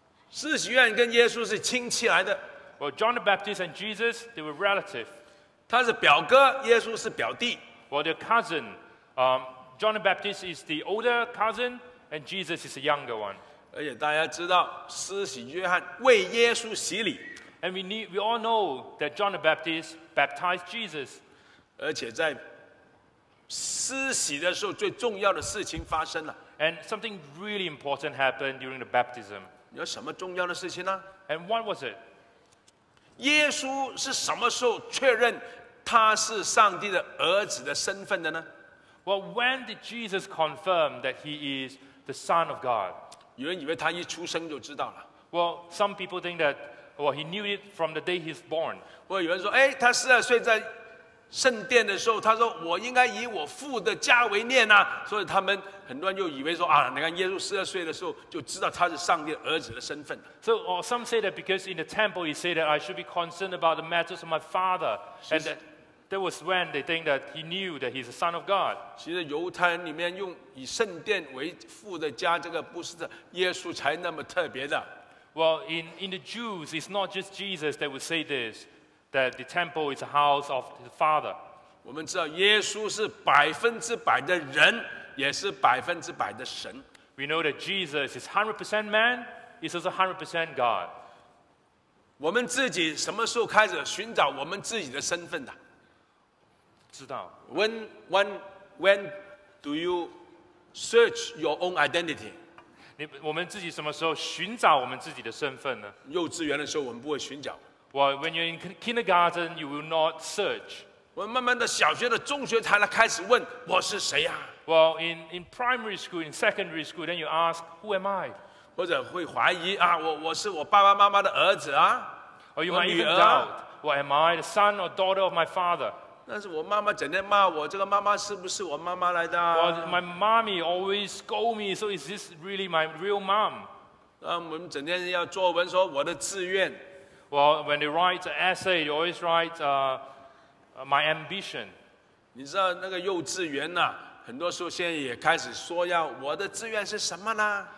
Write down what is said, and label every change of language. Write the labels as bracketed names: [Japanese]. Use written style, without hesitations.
[Chinese] 施洗约翰跟耶稣是亲戚来的。 [English] Well, John the Baptist and Jesus, they were relative. [Chinese] 他是表哥，耶稣是表弟。 [English] Well, they're cousin. John the Baptist is the older cousin, and Jesus is the younger one. [Chinese] 而且大家知道，施洗约翰为耶稣洗礼。 [English] And we all know that John the Baptist baptized Jesus. [Chinese] 而且在施洗的时候，最重要的事情发生了。 [English] And something really important happened during the baptism. [Chinese] 有什么重要的事情呢？ [English] And what was it? [Chinese] 耶稣是什么时候确认他是上帝的儿子的身份的呢？ [English] Well, when did Jesus confirm that he is the Son of God? [Chinese] 有人以为他一出生就知道了。 [English] Well, some people think that, he knew it from the day he's born. [Chinese] 或者有人说，哎，他十二岁在圣殿的时候，他说我应该以我父的家为念啊，所以他们很多人就以为说啊，你看耶稣十二岁的时候就知道他是上帝儿子的身份。 [English] So, or some say that because in the temple he said that I should be concerned about the matters of my father, and that was when they think that he knew that he's the son of God. [Chinese] 其实犹太人里面用以圣殿为父的家，这个不是耶稣才那么特别的。 [English] Well, in the Jews, it's not just Jesus that would say this. That the temple is the house of the Father. [Chinese] 我们知道耶稣是百分之百的人，也是百分之百的神。 [English] We know that Jesus is 100% man, he's also 100% God. [Chinese] 我们自己什么时候开始寻找我们自己的身份的？知道。 [English] When do you search your own identity? [Chinese] 我们自己什么时候寻找我们自己的身份呢？幼稚园的时候，我们不会寻找。 [English] Well, when you're in kindergarten, you will not search. [Chinese] 我慢慢的小学的中学才来开始问我是谁啊。 [English] Well, in primary school, in secondary school, then you ask, who am I? [Chinese] 或者会怀疑啊，我是我爸爸妈妈的儿子啊。 [English] Or you might even doubt, what am I, the son or daughter of my father? [Chinese] 但是我妈妈整天骂我，这个妈妈是不是我妈妈来的啊？ [English] Well, my mommy always scold me, so is this really my real mom? [Chinese] 那我们整天要作文说我的志愿。 [English] Well, when they write an essay, they always write, my ambition. [Chinese] 你知道那个幼稚园呢、啊？很多时候现在也开始说要我的志愿是什么呢